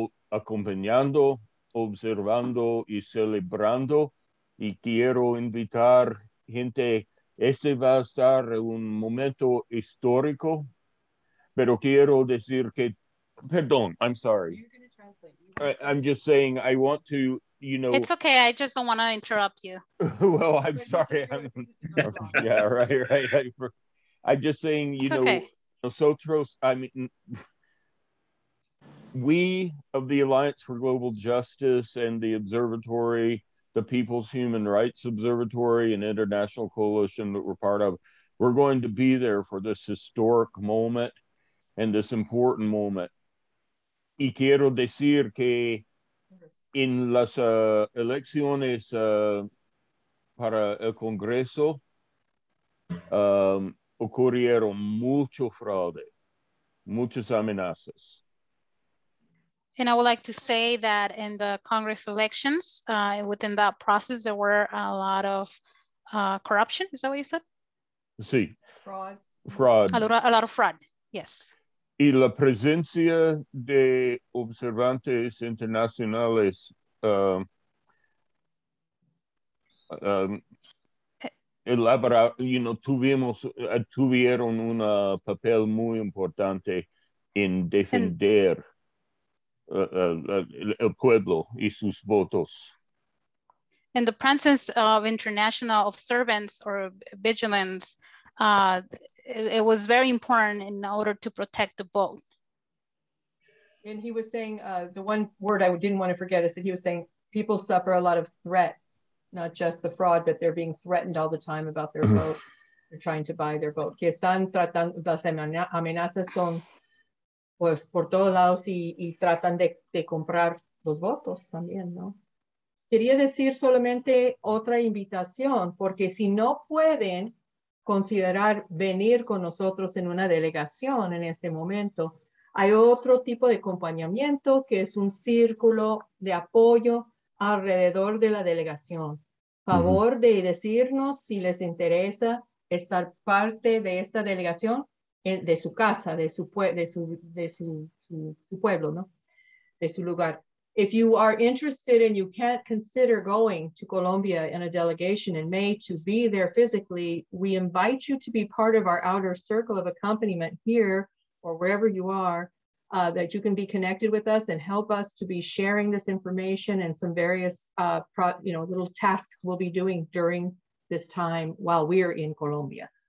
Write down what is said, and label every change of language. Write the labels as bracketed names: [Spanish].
[Spanish] acompañando, observando y celebrando, y quiero invitar gente, este va a estar un momento histórico, pero quiero decir que, perdón, [English] I'm sorry. I'm just saying I want to, you know, it's okay. I just don't want to interrupt you. Well, I'm sorry. I'm just saying, you it's know, okay. [Spanish] Nosotros, [English] I mean, we of the Alliance for Global Justice and the Observatory, the People's Human Rights Observatory and International Coalition that we're part of, we're going to be there for this historic moment and this important moment. [Spanish] Y quiero decir que en las elecciones para el Congreso ocurrieron mucho fraude, muchas amenazas. [English] And I would like to say that in the Congress elections, within that process, there were a lot of corruption. Is that what you said? [Spanish] Sí. [English] Fraud. A lot of fraud, yes. [Spanish] Y la presencia de observantes internacionales tuvieron un papel muy importante en defender el pueblo y sus votos. [English] And the presence of international observance or vigilance, it was very important in order to protect the vote. And he was saying, the one word I didn't want to forget is that he was saying people suffer a lot of threats, not just the fraud, but they're being threatened all the time about their vote. They're trying to buy their vote. [Spanish] Que están tratando, las amenazas son pues por todos lados y tratan de comprar los votos también, ¿no? Quería decir solamente otra invitación, porque si no pueden considerar venir con nosotros en una delegación en este momento, hay otro tipo de acompañamiento que es un círculo de apoyo alrededor de la delegación. Favor de decirnos si les interesa estar parte de esta delegación de su casa, de su pueblo, ¿no? De su lugar. [English] If you are interested and you can't consider going to Colombia in a delegation in May to be there physically, we invite you to be part of our outer circle of accompaniment here or wherever you are, that you can be connected with us and help us to be sharing this information and some various little tasks we'll be doing during this time while we are in Colombia.